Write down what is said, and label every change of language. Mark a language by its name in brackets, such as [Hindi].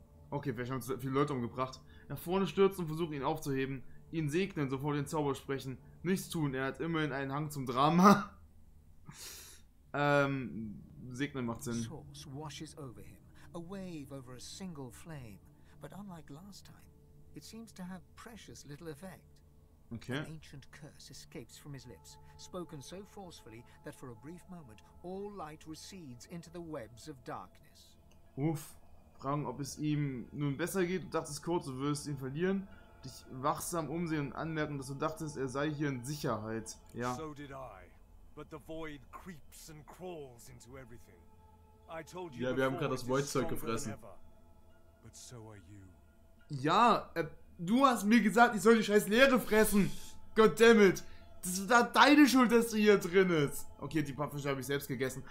[German] Okay, vielleicht haben wir zu viele Leute umgebracht. Nach vorne stürzen und versuchen ihn aufzuheben. Ihn segnen, sofort den Zauber sprechen. Nichts tun, er hat immerhin einen Hang zum Drama. segnen macht Sinn. [English] Source washes over him. A wave over a single flame. But unlike last time, it seems to have precious little effect. Okay. An ancient curse escapes from his lips, spoken so forcefully that for a brief moment all light recedes into the webs of darkness. Uff. [German] Fragen, ob es ihm nun besser geht. Du dachtest kurz, du wirst ihn verlieren. Dich wachsam umsehen und anmerken, dass du dachtest, er sei hier in Sicherheit. Ja. [English] So did I. But the void creeps and crawls into everything. I told you. [German] Ja, wir haben gerade das Void-Zeug gefressen. [English] But so are you. [German] Ja, du hast mir gesagt, ich soll die scheiß Leere fressen. Goddammit. Das ist da deine Schuld, dass du hier drin ist. Okay, die Pufferfische habe ich selbst gegessen.